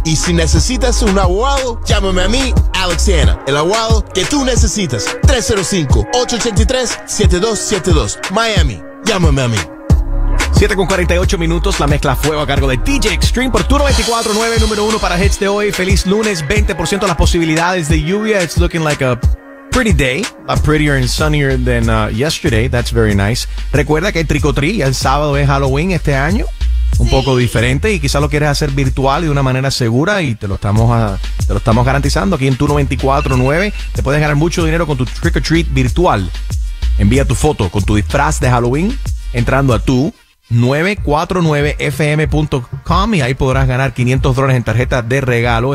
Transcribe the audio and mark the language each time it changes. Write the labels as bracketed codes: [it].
[es] Y si necesitas un aguado, llámame a mí, Alex Siena. El aguado que tú necesitas. 305-883-7272. Miami, llámame a mí. 7:48, la mezcla fuego a cargo de DJ Extreme por Turo 24-9, número 1 para hits de hoy. Feliz lunes, 20% las posibilidades de lluvia. [en] It's looking like a pretty day, a prettier and sunnier than yesterday. That's very nice. [es] Recuerda que el tricotri, el sábado es Halloween este año. Un poco diferente y quizás lo quieres hacer virtual y de una manera segura y te lo estamos garantizando aquí en Turo 24-9. Te puedes ganar mucho dinero con tu trick-or-treat virtual. Envía tu foto con tu disfraz de Halloween entrando a tu 949fm.com y ahí podrás ganar $500 en tarjeta de regalo.